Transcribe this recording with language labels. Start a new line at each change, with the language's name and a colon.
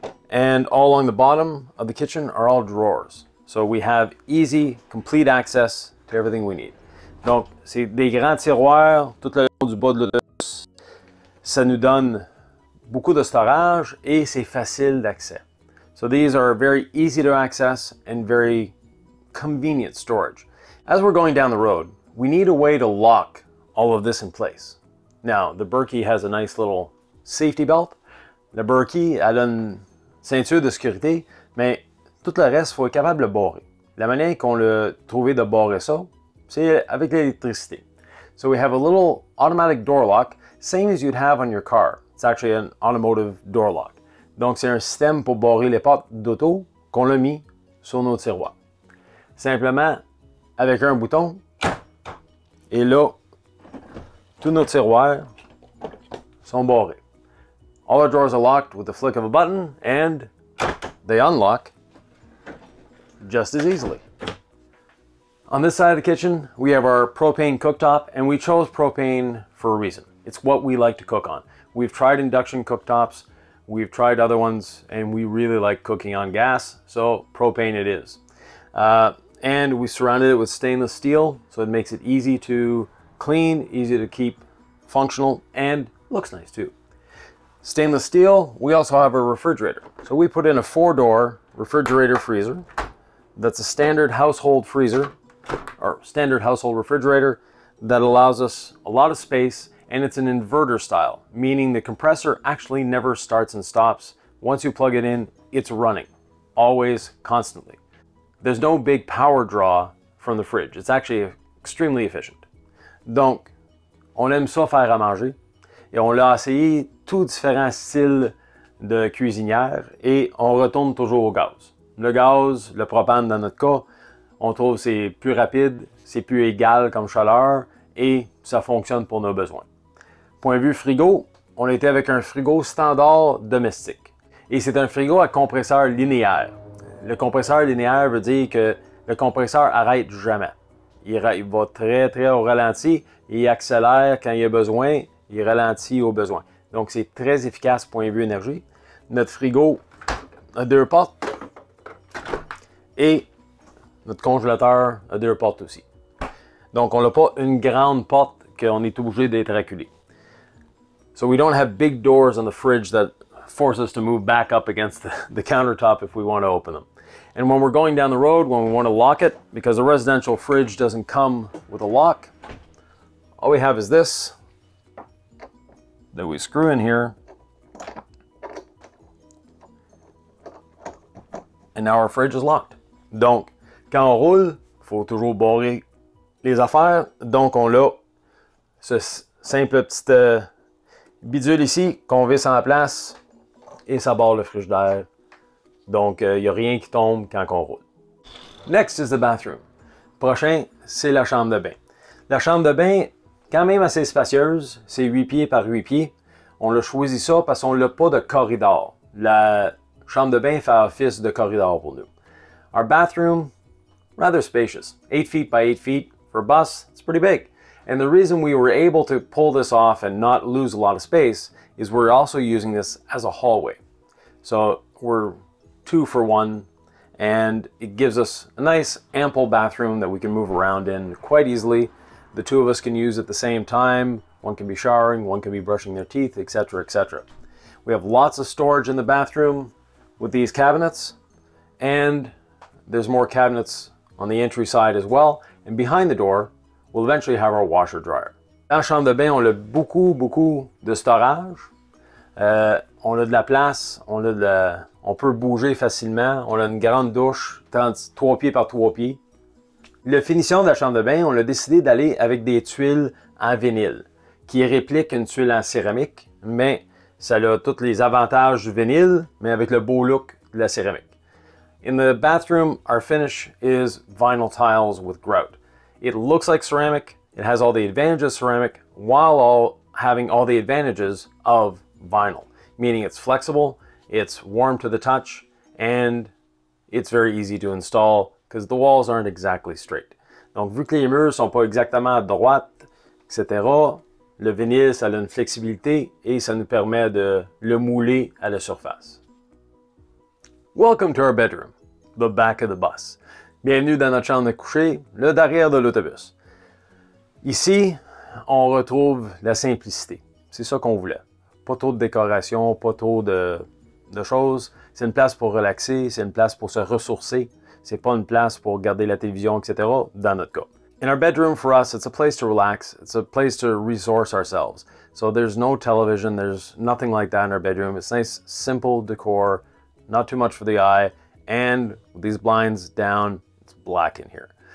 English: And all along the bottom of the kitchen are all drawers. So we have easy, complete access to everything we need.
French: Donc, c'est des grands tiroirs tout le long du bas de l'autobus. Ça nous donne beaucoup de storage et c'est facile d'accès.
English: So these are very easy to access and very convenient storage. As we're going down the road, we need a way to lock all of this in place. Now, the Berkey has a nice little safety belt.
French: The Berkey, elle a une ceinture de sécurité, mais tout le reste, il faut être capable de barrer. La manière qu'on l'a trouvé de barrer ça, c'est avec l'électricité.
English: So we have a little automatic door lock, same as you'd have on your car. It's actually an automotive door lock.
French: Donc, c'est un système pour barrer les portes d'auto qu'on a mis sur nos tiroirs. Simplement, avec un bouton, et là, tous nos tiroirs sont barrés.
English: All our drawers are locked with the flick of a button, and they unlock just as easily. On this side of the kitchen, we have our propane cooktop, and we chose propane for a reason. It's what we like to cook on. We've tried induction cooktops, we've tried other ones, and we really like cooking on gas, so propane it is. And we surrounded it with stainless steel, so it makes it easy to clean, easy to keep functional, and looks nice too. Stainless steel, we also have a refrigerator. So we put in a four-door refrigerator freezer. That's a standard household freezer, or standard household refrigerator, that allows us a lot of space. And it's an inverter style, meaning the compressor actually never starts and stops. Once you plug it in, it's running, always, constantly. There's no big power draw from the fridge. It's actually extremely efficient.
French: Donc, on aime ça faire à manger. Et on l'a essayé tous différents styles de cuisinière et on retourne toujours au gaz. Le gaz, le propane dans notre cas, on trouve c'est plus rapide, c'est plus égal comme chaleur et ça fonctionne pour nos besoins. Point de vue frigo, on était avec un frigo standard domestique. Et c'est un frigo à compresseur linéaire. Le compresseur linéaire veut dire que le compresseur arrête jamais. Il va très, très au ralenti. Il accélère quand il y a besoin. Il ralentit au besoin. Donc, c'est très efficace point de vue énergie. Notre frigo a deux portes. Et notre congélateur a deux portes aussi. Donc, on n'a pas une grande porte qu'on est obligé d'être acculé.
English: So we don't have big doors on the fridge that force us to move back up against the countertop if we want to open them. And when we're going down the road, when we want to lock it, because a residential fridge doesn't come with a lock, all we have is this that we screw in here. And now our fridge is locked.
French: Donc, quand on roule, faut toujours barrer les affaires. Donc, on l'a ce simple petit... bidule ici, qu'on visse en place et ça barre le frigidaire. Donc, il n'y a rien qui tombe quand on roule.
English: Next is the bathroom.
French: Prochain, c'est la chambre de bain. La chambre de bain, quand même assez spacieuse, c'est 8 pieds par 8 pieds. On l'a choisi ça parce qu'on n'a pas de corridor. La chambre de bain fait office de corridor pour nous.
English: Our bathroom, rather spacious. 8 feet by 8 feet. For a bus, it's pretty big. And the reason we were able to pull this off and not lose a lot of space is we're also using this as a hallway. So we're 2 for 1, and it gives us a nice ample bathroom that we can move around in quite easily. The two of us can use at the same time. One can be showering, one can be brushing their teeth, etc., etc. We have lots of storage in the bathroom with these cabinets, and there's more cabinets on the entry side as well. And behind the door, we'll eventually have our washer dryer.
French: Dans la chambre de bain, on a beaucoup, beaucoup de storage. On a de la place, on peut bouger facilement. On a une grande douche, 3 pieds par 3 pieds. Le finissant de la chambre de bain, on a décidé d'aller avec des tuiles en vinyle, qui réplique une tuile en céramique, mais ça a tous les avantages du vinyle, mais avec le beau look de la céramique.
English: In the bathroom, our finish is vinyl tiles with grout. It looks like ceramic, it has all the advantages of ceramic, while all having all the advantages of vinyl, meaning it's flexible, it's warm to the touch, and it's very easy to install, because the walls aren't exactly straight.
French: Donc, vu que les murs sont pas exactement à droite, etc., le vinyle, ça a une flexibilité et ça nous permet de le mouler à la surface.
English: Welcome to our bedroom, the back of the bus.
French: Bienvenue dans notre chambre de coucher, le derrière de l'autobus. Ici, on retrouve la simplicité. C'est ça qu'on voulait. Pas trop de décoration, pas trop de choses. C'est une place pour relaxer, c'est une place pour se ressourcer. C'est pas une place pour regarder la télévision, etc. dans notre cas.
English: In our bedroom, for us, it's a place to relax, it's a place to resource ourselves. So there's no television, there's nothing like that in our bedroom. It's nice, simple decor, not too much for the eye, and with these blinds down, it's black in here.